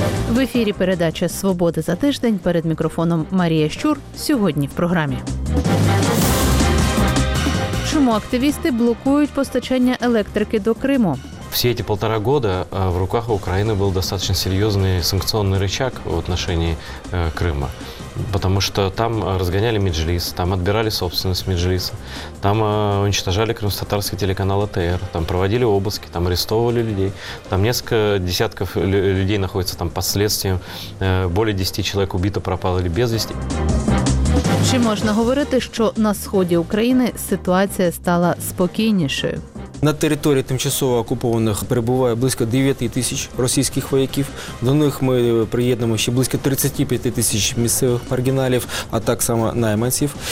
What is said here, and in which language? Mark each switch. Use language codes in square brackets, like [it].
[uk] В ефірі передача «Свобода за тиждень». Перед мікрофоном Марія Щур. Сьогодні в програмі. Чому активісти блокують постачання електрики до Криму? [ru] Все эти полтора года в руках Украины был достаточно серьезный санкционный рычаг в отношении Крыма. Потому что там разгоняли Меджлис, там отбирали собственность Меджлиса, там уничтожали крымско-татарский телеканал АТР, там проводили обыски, там арестовывали людей. Там несколько десятков людей находится там под следствием, более 10 человек убито, пропало или без вести. [uk] Чи можна говорити, що на сході України ситуація стала спокійнішою? На території тимчасово окупованих перебуває близько 9 тисяч російських вояків. До них ми приєднуємо ще близько 35 тисяч місцевих маргіналів, а так само найманців.